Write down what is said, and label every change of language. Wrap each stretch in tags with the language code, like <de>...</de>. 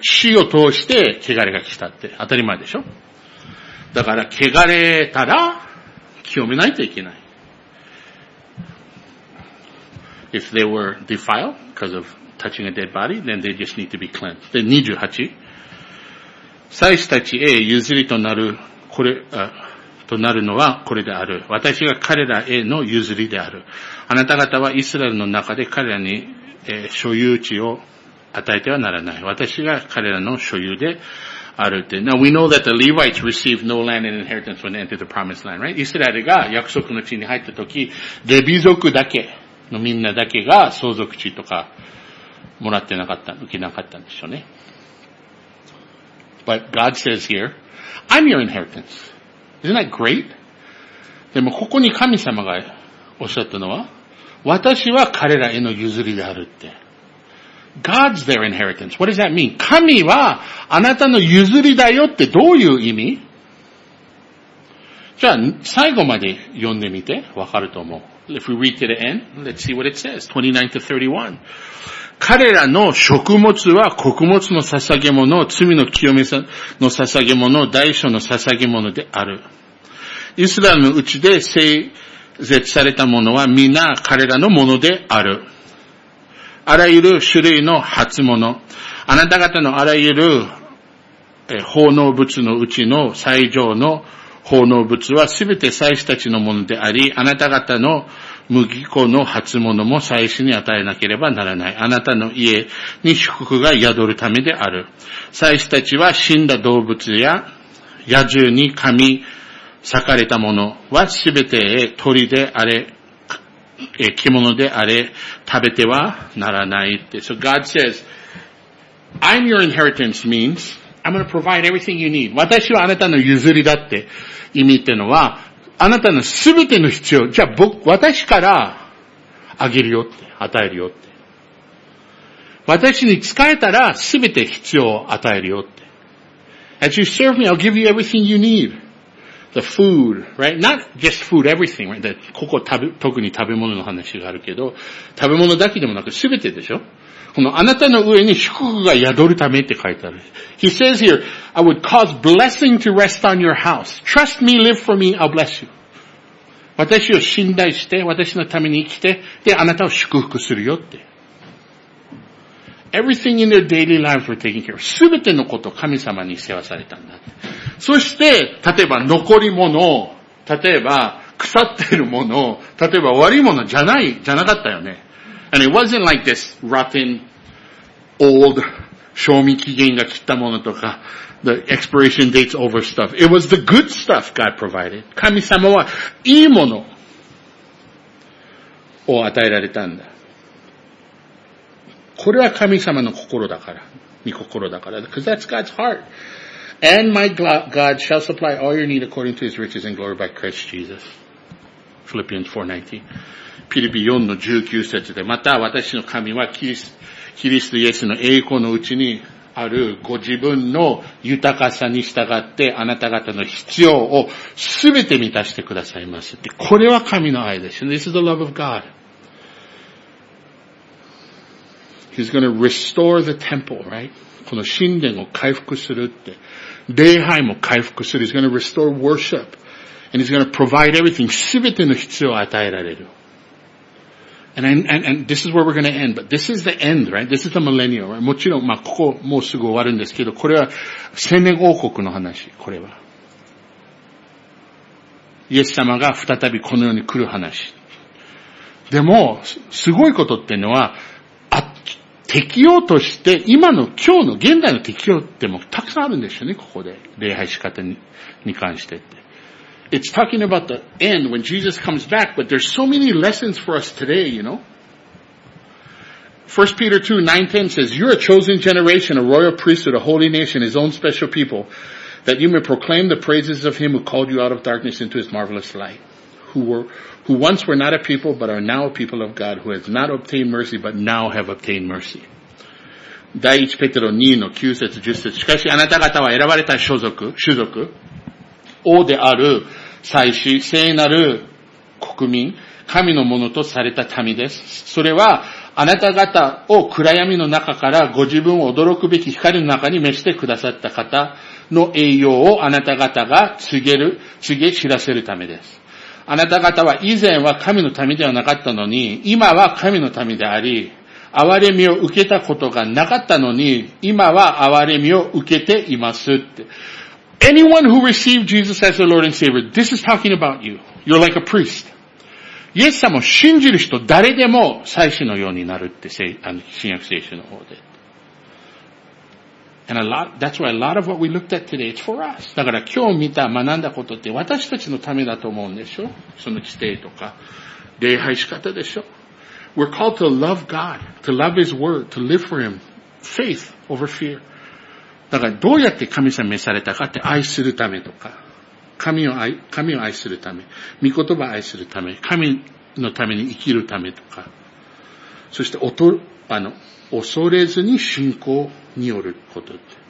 <ja>死を通して汚れが来たって。当たり前でしょ?だから汚れたら清めないといけない。</ja> <en>If they were defiled because of touching a dead body, then they just need to be cleansed.</en> <ja>で、28。祭司たちへ譲りとなる、これ、となるのはこれである。私が彼らへの譲りである。あなた方はイスラエルの中で彼らに、所有地を与えてはならない。私が彼らの所有であるって。</ja> <en>Now we know that the Levites received no land and inheritance when they entered the promised land, right?</en> <ja>イスラエルが約束の地に入った時、レビ族だけのみんなだけが相続地とか、もらってなかった、受けなかったんでしょうね。</ja> <en>But God says here, I'm your inheritance. Isn't that great?</en> <ja>でもここに神様がおっしゃったのは、私は彼らへの譲りであるって。</ja> <en>God's their inheritance. What does that mean?</en> <ja>神はあなたの譲りだよってどういう意味? じゃあ、最後まで読んでみてわかると思う。</ja> <en>If we read to the end, let's see what it says. 29 to 31.</en> <ja>彼らの食物は穀物の捧げ物、罪の清めの捧げ物、大小の捧げ物である。イスラムのうちで聖絶されたものは皆彼らのものである。あらゆる種類の初物、あなた方のあらゆる奉納物のうちの最上の奉納物はすべて祭司たちのものであり、あなた方の麦粉の初物も祭司に与えなければならない。あなたの家に祝福が宿るためである。祭司たちは死んだ動物や野獣に噛み裂かれたものはすべて鳥であれ、獣であれ食べてはならないって。</ja> <en>So God says, I'm your inheritance means, I'm going to provide everything you need.</en> <ja>私はあなたの譲りだって意味ってのは、あなたのすべての必要、じゃあ僕、私からあげるよって、与えるよって。私に使えたらすべて必要を与えるよって。</ja> <en>As you serve me, I'll give you everything you need. The food, right? Not just food, everything, right?</en> <ja>ここ食べ、特に食べ物の話があるけど、食べ物だけでもなくすべてでしょ？このあなたの上に祝福が宿るためって書いてある。</ja> <en>He says here, I would cause blessing to rest on your house. Trust me, live for me, I'll bless you.</en> <ja>私を信頼して、私のために生きて、で、あなたを祝福するよって。</ja> <en>Everything in their daily lives were taken care of.</en> <ja>すべてのことを神様に世話されたんだ。そして、例えば残り物、例えば腐ってるもの、例えば悪いものじゃない、じゃなかったよね。</ja> <en>And it wasn't like this rotten, old,</en> <ja>賞味期限が切ったものとか、</ja> <en>the expiration dates over stuff. It was the good stuff God provided.</en> <ja>神様はいいものを与えられたんだ。これは神様の心だから、御心だから。</ja> <en>Because that's God's heart. And my God shall supply all your need according to his riches and glory by Christ Jesus. Philippians 4:19.</en> <ja>ピリピ4の19節で、また私の神はキリストイエスの栄光のうちにあるご自分の豊かさに従ってあなた方の必要をすべて満たしてくださいますって。これは神の愛です。</ja> <en>This is the love of God. He's going to restore the temple, right?</en> <ja>この神殿を回復するって。礼拝も回復する。</ja> <en>He's going to restore worship. And he's going to provide everything,</en> <ja>すべての必要を与えられる。</ja> <en>And this is where we're going to end, but this is the end, right? This is the millennial, right?</en> <ja>もちろん、まあ、ここもうすぐ終わるんですけど、これは千年王国の話、これは。イエス様が再びこの世に来る話。でも、すごいことっていうのは、適用として、今の、今日の、現代の適用ってもたくさんあるんですよね、ここで。礼拝仕方 に関してって。</ja> <en>It's talking about the end when Jesus comes back, but there's so many lessons for us today, you know? 1 Peter 2, 9-10 says, You're a chosen generation, a royal priesthood, a holy nation, his own special people, that you may proclaim the praises of him who called you out of darkness into his marvelous light, who once were not a people, but are now a people of God, who has not obtained mercy, but now have obtained mercy.</en> <ja>第1 Peter 2の9節、10節、しかしあなた方は選ばれた種族、王である祭司、聖なる国民、神のものとされた民です。それはあなた方を暗闇の中からご自分を驚くべき光の中に召してくださった方の栄耀をあなた方が告げ知らせるためです。あなた方は以前は神の民ではなかったのに、今は神の民であり、憐れみを受けたことがなかったのに、今は憐れみを受けていますって。</ja> <en>Anyone who received Jesus as their Lord and Savior, this is talking about you. You're like a priest.</en> <ja>イエス様を信じる人、誰でも祭司のようになるって、新約聖書の方で。</ja> <en>And that's why a lot of what we looked at today, it's for us.</en> <ja>だから今日見た、学んだことって私たちのためだと思うんでしょ？その規定とか、礼拝仕方でしょ？</ja> <en>We're called to love God, to love His Word, to live for Him. Faith over fear.</en> <ja>だからどうやって神様召されたかって愛するためとか、神を愛するため、御言葉を愛するため、神のために生きるためとか、そして恐れずに信仰によることって。</ja>